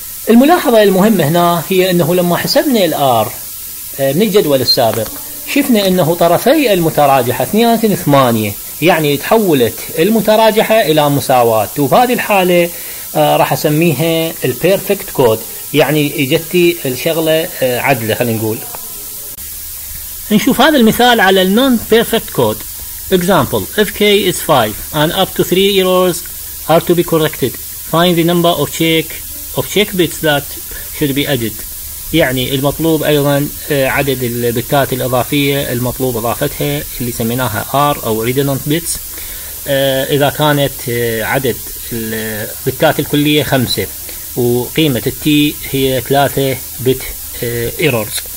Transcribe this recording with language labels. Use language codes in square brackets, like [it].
[ar] الملاحظه المهمه هنا هي انه لما حسبنا الار من الجدول السابق شفنا انه طرفي المتراجحه 2.8، يعني تحولت المتراجحه الى مساواه، وبهذه الحاله راح اسميها البيرفكت كود، يعني اجتي الشغله عدله. خلينا نقول نشوف هذا المثال على النون بيرفكت كود. [en] Example of k is 5 and up to 3 errors are to be corrected. Find the number of check bits that should be added. [ar] يعني المطلوب ايضا عدد البتات الاضافيه المطلوب اضافتها اللي سميناها R او redundant bits، اذا كانت عدد البتات الكليه 5 وقيمه التي هي 3 بت ايرورز.